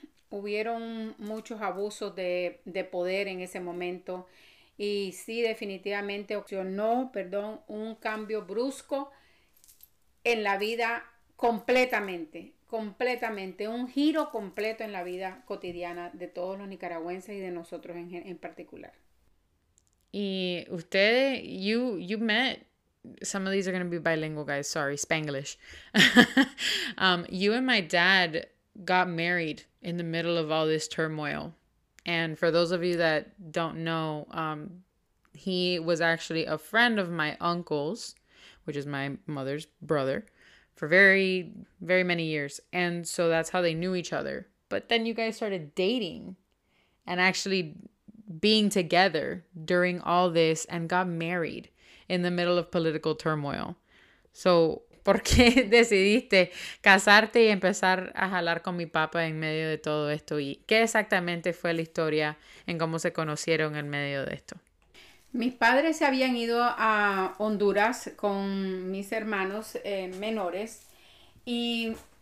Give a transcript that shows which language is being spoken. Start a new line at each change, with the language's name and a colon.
Spanish: Hubieron muchos abusos de poder en ese momento y sí, definitivamente ocasionó, perdón, un cambio brusco en la vida completamente, completamente, un giro completo en la vida cotidiana de todos los nicaragüenses y de nosotros en particular. Y ustedes,
English: you met, some of these are going to be bilingual guys, sorry, Spanglish. You and my dad got married in the middle of all this turmoil. And for those of you that don't know, he was actually a friend of my uncle's, which is my mother's brother, for very, very many years. And so that's how they knew each other. But then you guys started dating and actually being together during all this and got married in the middle of political turmoil.
Spanish: So, ¿por qué decidiste casarte y empezar a jalar con mi papá en medio de todo esto? ¿Y qué exactamente fue la historia en cómo se conocieron en medio de esto? Mis padres se habían ido a Honduras con mis hermanos menores y